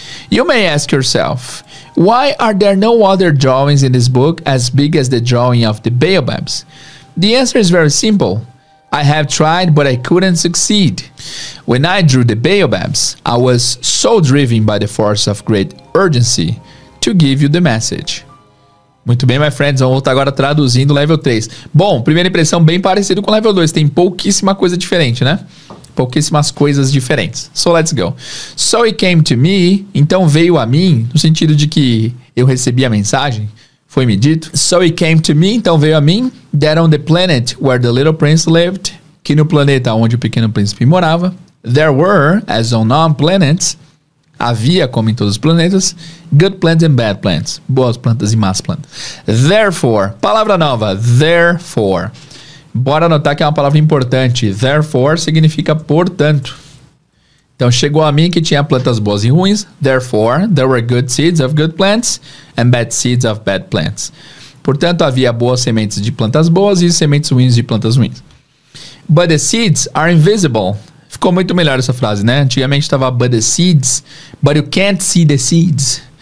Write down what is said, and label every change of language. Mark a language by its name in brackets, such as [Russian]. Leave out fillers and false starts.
[English] You may ask yourself, why are there no other drawings in this book as big as the drawing of the baobabs? The answer is very simple. I have tried, but I couldn't succeed. When I drew the baobabs, I was so driven by the force of great urgency to give you the message. [Portuguese] Muito bem, [English] my friends, [Portuguese] vamos voltar agora traduzindo level 3. Bom, primeira impressão bem parecido com level 2, tem pouquíssima coisa diferente, né? Pouquíssimas coisas diferentes. [English] So let's go. So it came to me, [Portuguese] então veio a mim, no sentido de que eu recebi a mensagem, foi me dito. [English] So it came to me, [Portuguese] então veio a mim, [English] that on the planet where the little prince lived, [Portuguese] que no planeta onde o pequeno príncipe morava, [English] there were, as on all planets, [Portuguese] havia, como em todos os planetas, [English] good plants and bad plants. [Portuguese] Boas plantas e más plantas. Therefore, palavra nova, therefore. Bora anotar que é uma palavra importante. Therefore significa portanto. Então, chegou a mim que tinha plantas boas e ruins. [English] Therefore, there were good seeds of good plants and bad seeds of bad plants. [Portuguese] Portanto, havia boas sementes de plantas boas e sementes ruins de plantas ruins. [English] But the seeds are invisible. [Portuguese] Ficou muito melhor essa frase, né? Antigamente estava [English] but the seeds, but you can't see the seeds.